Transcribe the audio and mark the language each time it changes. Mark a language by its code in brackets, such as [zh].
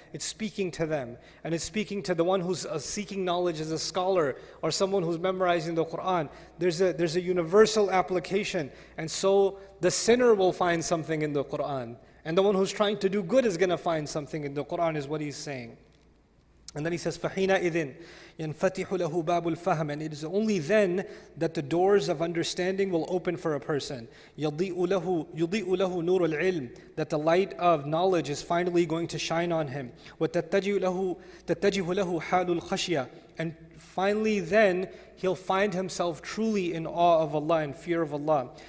[en] It's speaking to them. And it's speaking to the one who's seeking knowledge as a scholar or someone who's memorizing the Quran. There's a universal application. And so the sinner will find something in the Quran. And the one who's trying to do good is going to find something in the Quran, is what he's saying. And then he says, [ar] فَحِينَ إِذٍ يَنْفَتِحُ لَهُ بَابُ الْفَهْمِ. [en] And it is only then that the doors of understanding will open for a person. [ar] يُضِيءُ لَهُ نُورُ الْعِلْمِ. [en] That the light of knowledge is finally going to shine on him. [ar] وَتَتَّجِهُ لَهُ حَالُ الْخَشْيَةِ. [en] And finally then, he'll find himself truly in awe of Allah and fear of Allah.